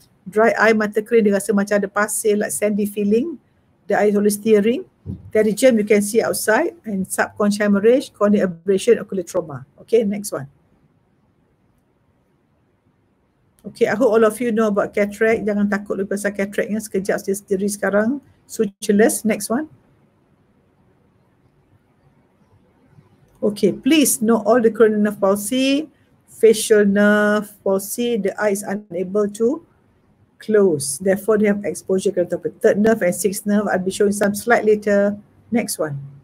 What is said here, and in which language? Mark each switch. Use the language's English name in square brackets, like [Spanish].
[English] Dry eye, [Malay] mata kering, dia rasa macam ada pasir, [English] like sandy feeling. The eye is always tearing. Pterygium, you can see outside, and subconscious hemorrhage, corneal abrasion, ocular trauma. Okay, next one. Okay, I hope all of you know about cataract. [Malay] Jangan takut lebih pasal cataractnya, sekejap saja sendiri sekarang. [English] Sutureless, next one. Okay, please know all the cranial nerve palsy, facial nerve palsy, the eye is unable to close. Therefore, they have exposure to the third nerve and sixth nerve. I'll be showing some slide later. Next one.